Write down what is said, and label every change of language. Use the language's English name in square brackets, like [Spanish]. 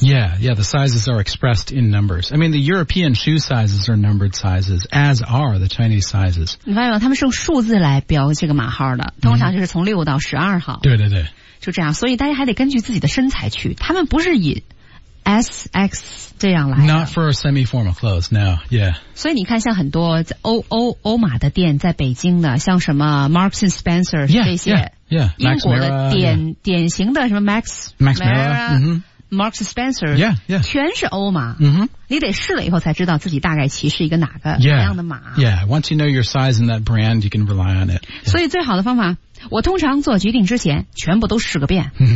[English] Yeah, yeah, the sizes are expressed in numbers. I mean, the European shoe sizes are numbered sizes, as are the Chinese sizes. [Chinese] 你发现吗？他们是用数字来标这个码号的，通常就是从六到十二号。对对对，就这样。所以大家还得根据自己的身材去，他们不是以 S X。这样来的。 [English] Not for semi-formal clothes, no, yeah. [Chinese] 所以你看像很多欧码的店在北京的像什么 Marks and Spencer 这些。 [English] Yeah, [Chinese] 英国的典 [English] Mara, [Chinese] 典型的什么 Max, [English] Max Mara, Marks and Spencer, yeah. [Chinese] 全是欧码。你得试了以后才知道自己大概其实一个哪个什么样的码。 [English] Yeah, once you know your size and that brand, you can rely on it.、 [Chinese] 所以最好的方法我通常做决定之前全部都试个遍。